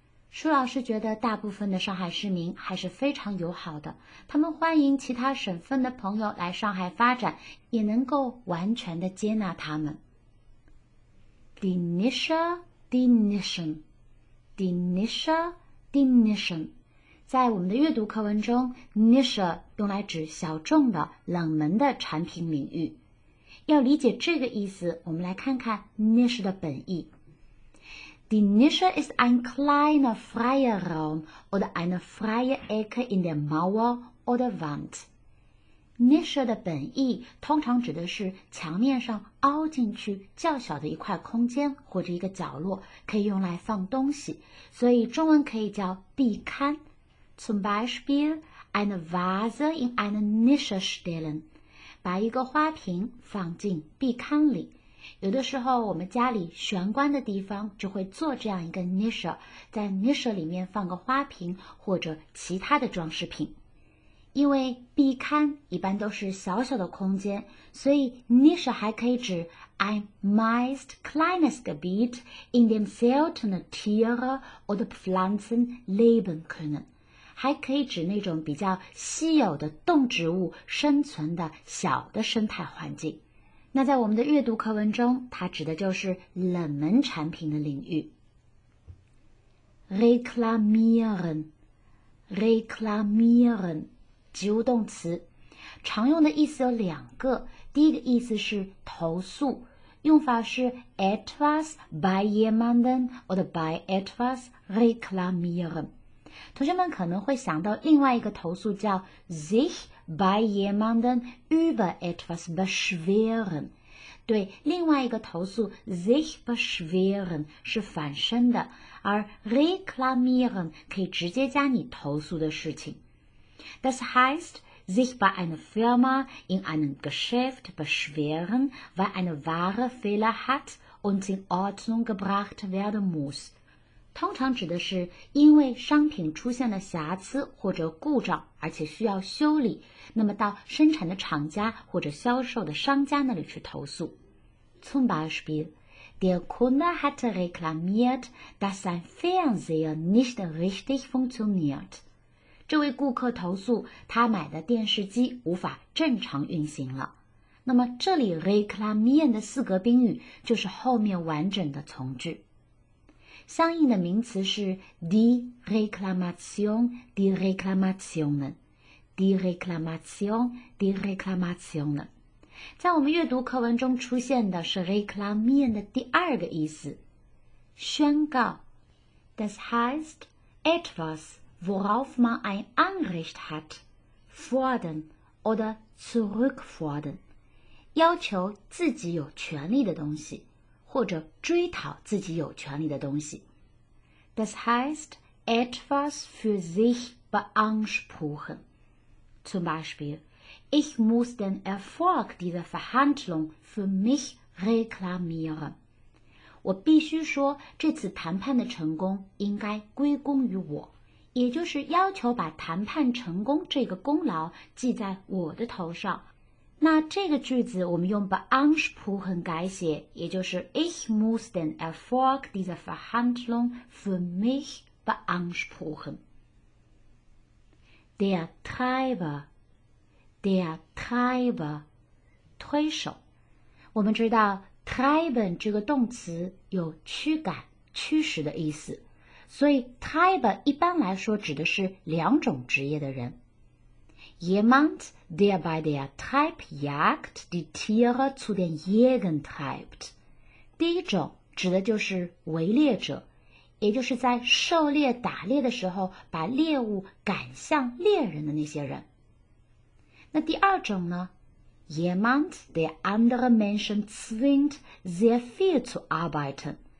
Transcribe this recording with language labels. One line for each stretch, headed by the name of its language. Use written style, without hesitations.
Chinese: 舒老师觉得大部分的上海市民还是非常友好的，他们欢迎其他省份的朋友来上海发展，也能够完全的接纳他们。
German: Die Nische, die Nischen, die Nische, die Nischen。
Chinese: 在我们的阅读课文中 ，Nische 用来指小众的、冷门的产品领域。要理解这个意思，我们来看看 Nische 的本意。
German: Die Nische ist ein kleiner freier Raum oder eine freie Ecke in der Mauer oder Wand.
Chinese: Nische 的本意通常指的是墙面上凹进去较小的一块空间或者一个角落，可以用来放东西，所以中文可以叫壁龛。
German: Zum Beispiel eine Vase in eine Nische stellen，
Chinese: 把一个花瓶放进壁龛里。有的时候我们家里玄关的地方就会做这样一个 Nische， 在 Nische 里面放个花瓶或者其他的装饰品。因为壁龛一般都是小小的空间，所以 Nische 还可以指
German: ein meist kleines Gebiet in dem seltene Tiere oder Pflanzen leben können，
Chinese: 还可以指那种比较稀有的动植物生存的小的生态环境。那在我们的阅读课文中，它指的就是冷门产品的领域。 Reklamieren, reklamieren, 及物动词，常用的意思有两个。第一个意思是投诉，用法是
German: etwas bei jemanden oder bei etwas reklamieren。
Chinese: 同学们可能会想到另外一个投诉叫
German: sich bei jemanden über etwas beschweren，
Chinese: 对，另外一个投诉 sich beschweren 是反身的，而 reklamieren 可以直接加你投诉的事情。
German: Das heißt sich bei einer Firma in einem Geschäft beschweren, weil eine Ware Fehler hat und in Ordnung gebracht werden muss，
Chinese: 通常指的是因为商品出现了瑕疵或者故障而且需要修理，那么到生产的厂家或者销售的商家那里去投诉。
German: Zum Beispiel Der Kunde hat reklamiert, dass sein Fernseher nicht richtig funktioniert.
Chinese: 这位顾客投诉他买的电视机无法正常运行了。那么这里 reklamieren 的四格宾语就是后面完整的从句，相应的名词是
German: die Reklamation, die Reklamationen,
Chinese: die Reklamation, die Reklamationen。在我们阅读课文中出现的是 reklamieren 的第二个意思，宣告。
German: Das heißt, etwas, worauf man ein Anrecht hat, fordern oder zurückfordern,
Chinese: 要求自己有权利的东西，
German: 或者追讨自己有权利的东西。 Das heißt, etwas für sich beanspruchen. Zum Beispiel, ich muss den Erfolg dieser Verhandlung für mich reklamieren.
Chinese: 我必须说，这次谈判的成功应该归功于我，也就是要求把谈判成功这个功劳记在我的头上。那这个句子我们用 beanspruchen 改写，也就是
German: Ich muss den Erfolg dieser Verhandlung für mich beanspruchen. Der Treiber, der Treiber,
Chinese: 推手。我们知道 Treiben 这个动词有驱赶、驱使的意思，所以 Treiber 一般来说指的是两种职业的人。
German: Jemand, der bei der Treibjagd die Tiere zu den Jägern treibt.
Chinese: 第一种指的就是围猎者，也就是在狩猎打猎的时候把猎物赶向猎人的那些人。那第二种呢？
German: Jemand, der andere Menschen zwingt sehr viel zu arbeiten.